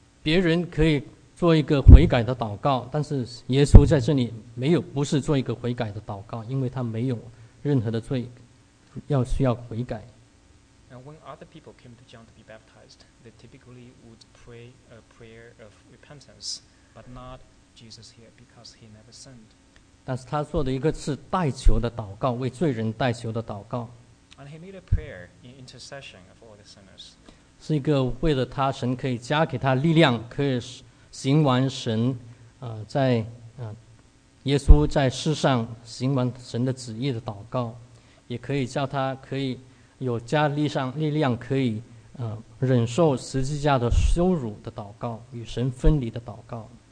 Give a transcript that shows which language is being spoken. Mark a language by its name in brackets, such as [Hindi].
[Chinese] 别人可以做一个悔改的祷告，但是耶稣在这里没有，不是做一个悔改的祷告，因为他没有任何的罪要需要悔改。 [English] And when other people came to John to be baptized, they typically would pray a prayer of repentance, but not Jesus here because he never sinned. [Chinese] 但是他做的一个是代求的祷告, 为罪人代求的祷告。 [English] And he made a prayer in intercession of all the sinners. [Chinese] 是一个为了他神可以加给他力量, 可以行完神, 在, 耶稣在世上行完神的旨意的祷告, 也可以叫他可以 有加力上力量可以忍受十字架的羞辱的祷告与神分离的祷告。